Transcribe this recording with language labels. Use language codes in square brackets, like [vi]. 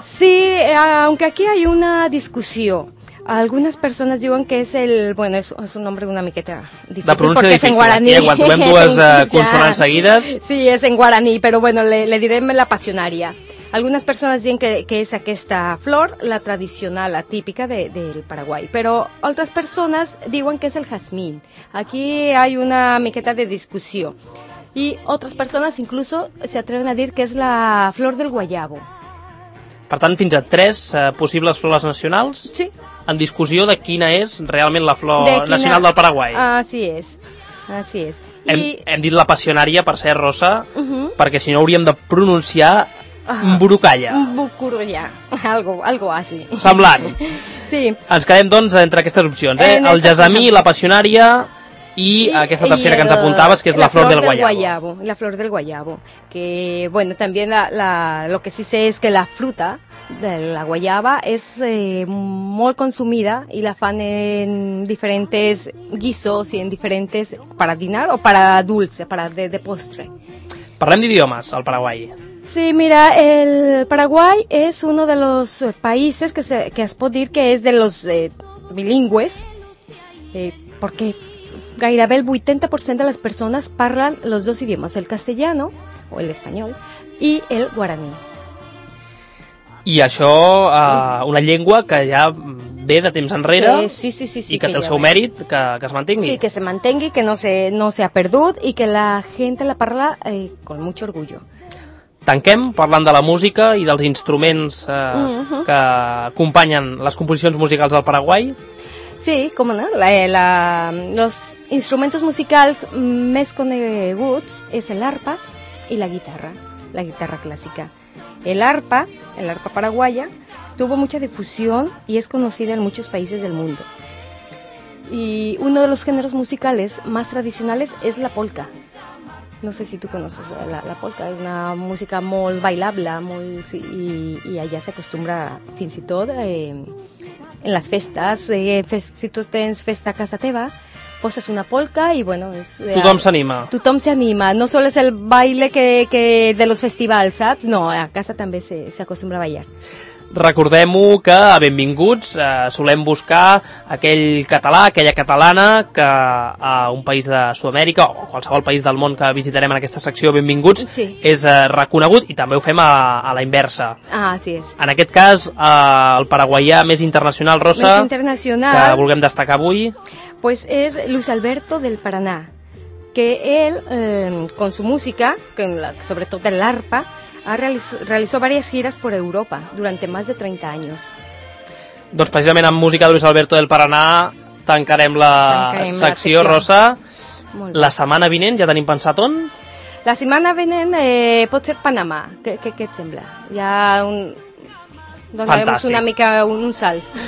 [es] Sí, aunque aquí hay una discusión. [ca] Algunes persones diuen que és el... Bueno, és un nombre una miqueta difícil. De pronúncia difícil, en guaraní. Aquí, quan trobem dues consonants seguides... Sí, és en guaraní, però bueno, le direm la passionària. Algunes persones diuen que és aquesta flor, la tradicional, la típica del Paraguai. Però altres persones diuen que és el jazmín. Aquí hi ha una miqueta de discussió. I altres persones incluso se atreven a dir que és la flor del guayabo. Per tant, fins a tres possibles flors nacionals? Sí. En discussió de quina és realment la flor nacional del Paraguai. Així és. Hem dit la passionària, per ser rosa, uh-huh. Perquè si no hauríem de pronunciar burucalla. Bucurullà, algo així. Semblant. Sí. Ens quedem, doncs, entre aquestes opcions, el jasamí, la passionària i aquesta tercera que ens apuntaves, que és la flor del guayabo. [es] La flor del guayabo, que, bueno, també lo que sí sé és que la fruta, de la guayaba es muy consumida y la fan en diferentes guisos y en diferentes para dinar o para dulce, para de postre. [ca] Parlem d'idiomes, el Paraguai. [es] Sí, mira, el Paraguai es uno de los países que es pot dir que es de los bilingües, porque gairebé el 80% de las personas parlan los dos idiomas, el castellano o el español y el guaraní. [ca] I això, una llengua que ja ve de temps enrere, sí, sí, sí, sí, i que té el seu mèrit, que es mantingui. [es] Sí, que se mantingui, que no se ha perdut i que la gent la parla con mucho orgullo. [ca] Tanquem parlant de la música i dels instruments que acompanyen les composicions musicals del Paraguai. Sí, com no? Los instrumentos musicals més coneguts és l'arpa i la guitarra clàssica. [es] El arpa paraguaya, tuvo mucha difusión y es conocida en muchos países del mundo. Y uno de los géneros musicales más tradicionales es la polka. No sé si tú conoces la polka, es una música muy bailable, muy, sí, y allá se acostumbra, fin si todo, en las festas, si tú tienes festa casa teva, pues es una polka y bueno, es... [ca] Tothom s'anima. Tothom s'anima, [es] no solo es el baile que de los festivals, saps? [ca] No, a casa també se acostumbra a ballar. Recordem-ho que, benvinguts, solem buscar aquell català, aquella catalana que a un país de Sud-amèrica o qualsevol país del món que visitarem en aquesta secció, benvinguts, sí, és reconegut i també ho fem a la inversa. Ah, sí, és. En aquest cas, el paraguaià més internacional, Rosa, més internacional, que vulguem destacar avui... [es] Pues es Luis Alberto del Paraná, que él con su música, sobre todo el arpa, realizó varias giras por Europa durante más de 30 años. [ca] Doncs precisament amb música de Luis Alberto del Paraná tancarem la secció, Rosa. La setmana vinent ja tenim pensat on? La setmana vinent pot ser Panamà. Què et sembla? Hi ha un... Doncs fantàstic. Donarem una mica un salt.